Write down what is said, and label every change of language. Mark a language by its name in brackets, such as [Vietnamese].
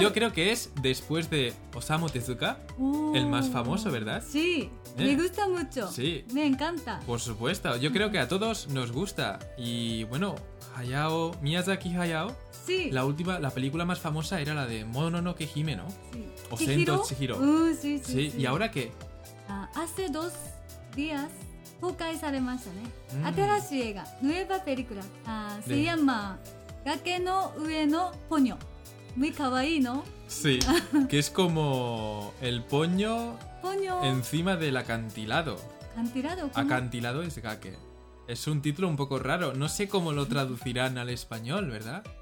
[Spanish] Yo creo que es después de Osamu Tezuka, el más famoso, ¿verdad? Sí. ¿Eh? Me gusta mucho. Sí. Me encanta. Por supuesto. Yo creo que a todos nos gusta. Y bueno, Hayao, Miyazaki Hayao. Sí. La última, la película más famosa era la de Mononoke Hime, ¿no? Sí. O Sento Chihiro. Sí, sí, sí. ¿Y ahora qué? Hace dos días, [Japanese] 公開されましたね。 Atarashii eiga, [Spanish] nueva película. Se llama Gake no Ue no Ponyo. Muy kawaii, ¿no? Sí. Que es como el ponyo, ponyo encima del acantilado. ¿Acantilado? ¿Cómo? Acantilado es gake. Es un título un poco raro. No sé cómo lo traducirán al español, ¿verdad?